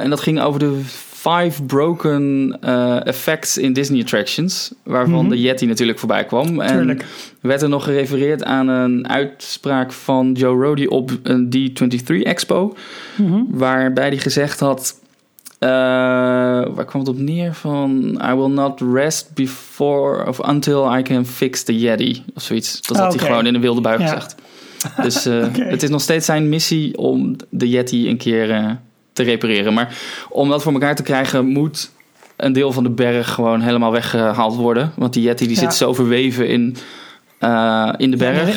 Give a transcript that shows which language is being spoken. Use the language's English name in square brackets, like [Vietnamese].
[Dutch] En dat ging over de 5 [English] broken effects in Disney attractions, [Dutch] waarvan de Yeti natuurlijk voorbij kwam. Tuurlijk. En werd er nog gerefereerd aan een uitspraak van Joe Rohde op een D23 Expo, waarbij hij gezegd had... waar kwam het op neer van... [English] I will not rest before of until I can fix the Yeti. [Dutch] Of zoiets. Dat had hij gewoon in een wilde bui gezegd. Dus het is nog steeds zijn missie om de Yeti een keer te repareren. Maar om dat voor elkaar te krijgen... moet een deel van de berg gewoon helemaal weggehaald worden. Want die Yeti die zit zo verweven in de berg.